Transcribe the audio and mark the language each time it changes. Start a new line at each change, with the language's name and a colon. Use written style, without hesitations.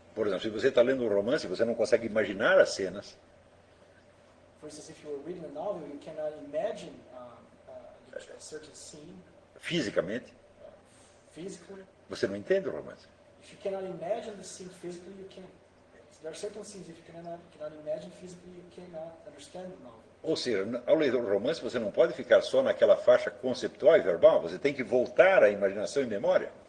Portuguese: Por exemplo, se você está lendo um romance, você não consegue imaginar as cenas.
English: For instance, if you are reading a novel, you cannot imagine a certain scene.
Portuguese: Fisicamente.
English: Physically.
Portuguese: Você não entende o romance.
English: If you cannot imagine the scene physically, you can't. There are certain scenes if you cannot imagine physically, you cannot understand the novel.
Portuguese: Ou seja, ao ler o romance, você não pode ficar só naquela faixa conceptual e verbal, você tem que voltar à imaginação e memória.